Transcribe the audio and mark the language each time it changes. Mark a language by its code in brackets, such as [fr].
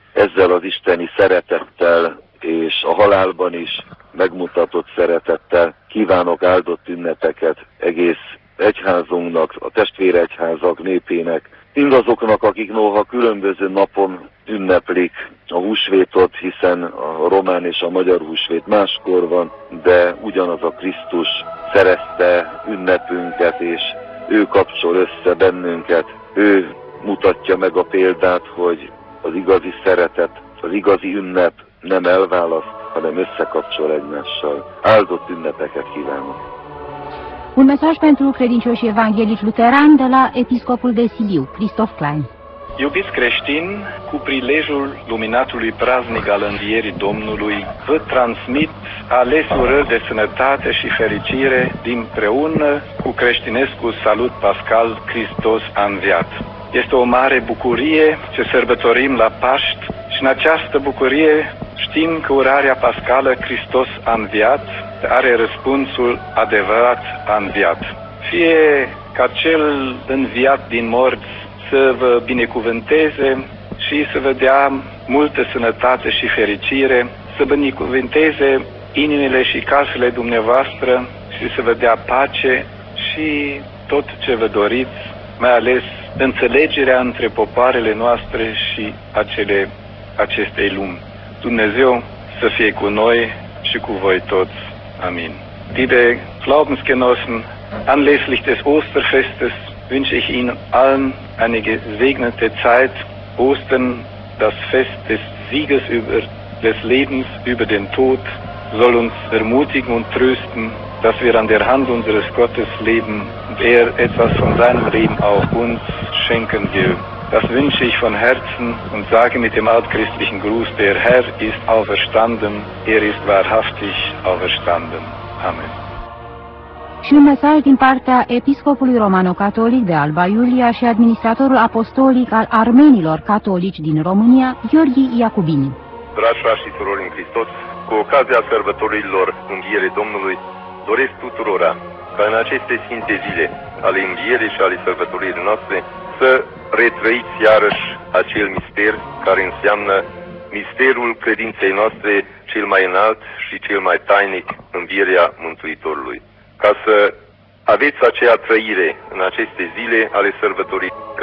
[hu] Ezzel az isteni szeretettel és a halálban is megmutatott szeretettel kívánok áldott ünnepeket egész egyházunknak, a testvéregyházak népének, mindazoknak, akik noha különböző napon ünneplik a húsvétot, hiszen a román és a magyar húsvét máskor van, de ugyanaz a Krisztus szerezte ünnepünket, és ő kapcsol össze bennünket. Ő mutatja meg a példát, hogy az igazi szeretet, az igazi ünnep nem elválaszt, hanem összekapcsol egymással. Áldott ünnepeket kívánok! [ro] Un mesaj pentru credincioși evanghelici luteran de la episcopul de Sibiu, Christoph Klein. Iubiți creștini, cu prilejul luminatului praznic al învierii Domnului, vă transmit ales urări de sănătate și fericire din preună cu creștinescul salut pascal Hristos a înviat. Este o mare bucurie ce sărbătorim la Paști și în această bucurie știm că urarea pascală Hristos a înviat are răspunsul adevărat a înviat. Fie ca cel înviat din morți să vă binecuvânteze și să vă dea multă sănătate și fericire, să binecuvânteze inimile și casele dumneavoastră și să vă dea pace și tot ce vă doriți, mai ales înțelegerea între popoarele noastre și acestei lumi. Dumnezeu să fie cu noi și cu voi toți. Amen. [de] Liebe Glaubensgenossen, anlässlich des Osterfestes wünsche ich Ihnen allen eine gesegnete Zeit. Ostern, das Fest des Sieges über des Lebens über den Tod, soll uns ermutigen und trösten, dass wir an der Hand unseres Gottes leben und er etwas von seinem Leben auch uns schenken will. Das wünsche ich von Herzen und sage mit dem altchristlichen Gruß, der Herr ist auferstanden, er ist wahrhaftig auferstanden. Amen. [ro] Și un mesaj din partea episcopului romano-catolic de Alba Iulia și administratorul apostolic al armenilor catolici din România, Gheorghe Iacubini. Dragi frați și surori în Hristos, cu ocazia sărbătorilor Învierii Domnului, doresc tuturora ca în aceste sfinte zile ale Învierii și ale sărbătorilor noastre să retrăiți iarăși acel mister care înseamnă misterul credinței noastre cel mai înalt și cel mai tainic, învierea Mântuitorului. Ca să aveți aceea trăire în aceste zile ale sărbătorii, că